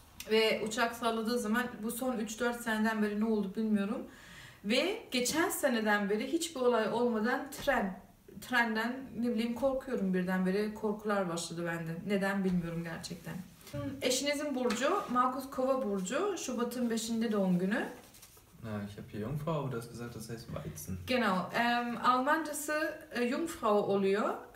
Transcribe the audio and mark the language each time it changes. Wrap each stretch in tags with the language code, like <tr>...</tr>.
<tr>Ve uçak salladığı zaman bu son 3-4 seneden beri ne oldu bilmiyorum. Ve geçen seneden beri hiçbir olay olmadan trenden ne bileyim korkuyorum birdenbire. Korkular başladı bende. Neden bilmiyorum gerçekten. Eşinizin burcu, Markus Kova burcu. Şubat'ın 5'inde doğum günü.</tr> <de>Na, ich habe hier Jungfrau, aber du hast gesagt, das heißt Weizen. Genau.</de> <tr>Almancası Jungfrau oluyor.</tr>